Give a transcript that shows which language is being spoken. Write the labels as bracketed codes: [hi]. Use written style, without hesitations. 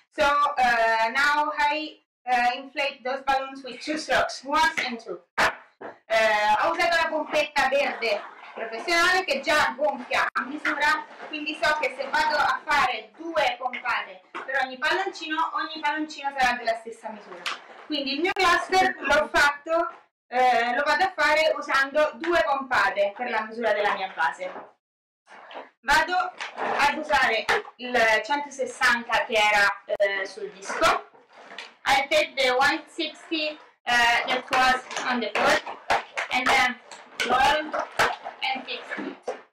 [en] So now I inflate those balloons with 2 strokes, 1 and 2. [it] Ho usato la pompetta verde professionale che già gonfia a misura, quindi so che se vado a fare 2 pompate per ogni palloncino sarà della stessa misura. Quindi il mio cluster l'ho fatto, lo vado a fare usando 2 pompate per la misura della mia base. Vado ad usare il 160 che era sul disco. [en] I take the 160 that was on the board and then roll and fix it.